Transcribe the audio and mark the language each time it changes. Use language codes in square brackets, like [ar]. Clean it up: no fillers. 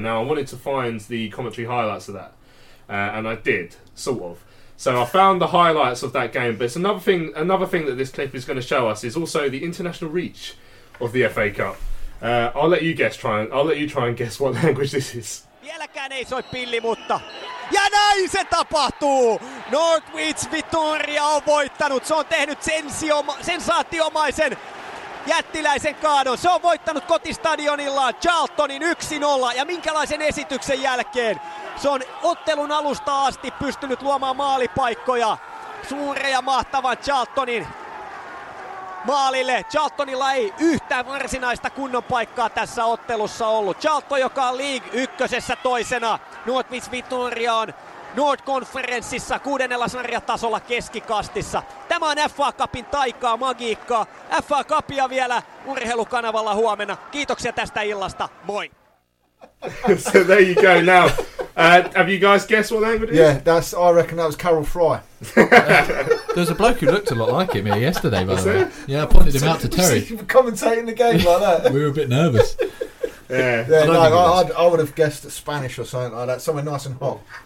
[en] Now I wanted to find the commentary highlights of that, and I did, sort of. So I found the highlights of that game, but it's another thing that this clip is going to show us is also the international reach of the FA Cup. I'll let you try and guess what language this is. [fi] Vieläkään ei soi pilli, mutta... Ja näin se tapahtuu! Norwich Victoria on voittanut. Se on tehnyt sensaatiomaisen jättiläisen kaadon. Se on voittanut kotistadionillaan Charltonin 1-0. Ja minkälaisen esityksen jälkeen? Se on ottelun alusta asti pystynyt luomaan maalipaikkoja suureen ja mahtavan Charltonin maalille. Charltonilla ei yhtään varsinaista kunnon paikkaa tässä ottelussa ollut. Charlton, joka on League ykkösessä toisena, Norwich Victoria on North Conferenceissa kuudennella sarjatasolla keskikastissa. Tämä on FA Cupin taikaa, magiikkaa. FA Cupia vielä Urheilukanavalla huomenna. Kiitoksia tästä illasta. Moi! [en] So there you go. Now, have you guys guessed what language it is? Yeah, I reckon that was Carol Fry. There was a bloke who looked a lot like him here yesterday, by the way. Yeah, I pointed him out to Terry. Commentating the game like that. We were a bit nervous. Yeah. Yeah, I would have guessed Spanish or something like that, somewhere nice and hot.